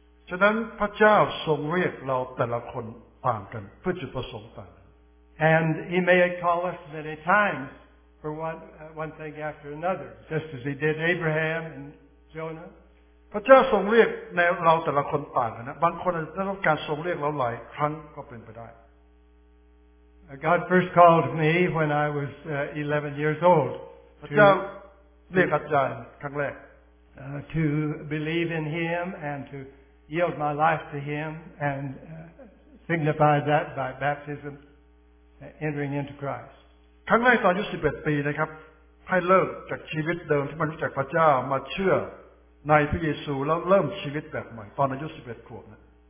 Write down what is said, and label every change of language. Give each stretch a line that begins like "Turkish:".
Thai: ฉะนั้นพระเจ้าทรงเรียกเราแต่ละคนต่างกันเพื่อจุดประสงค์ต่าง
English: and He may call us many times for one thing after another just as He did Abraham and Jonah
Thai: พระเจ้าทรงเรียกในเราแต่ละคนต่างกันนะบางคนอาจจะต้องการทรงเรียกเราหลายครั้งก็เป็นไปได้
English: God first called me when I was 11 years old to believe in Him and to yield my life to Him and signify that by baptism, entering into Christ.
Thai: ครั้งแรกตอนอายุ11ปีนะครับให้เลิกจากชีวิตเดิมที่ไม่รู้จักพระเจ้ามาเชื่อในพระเยซูแล้วเริ่มชีวิตแบบใหม่ตอนอายุ11ขวบนะ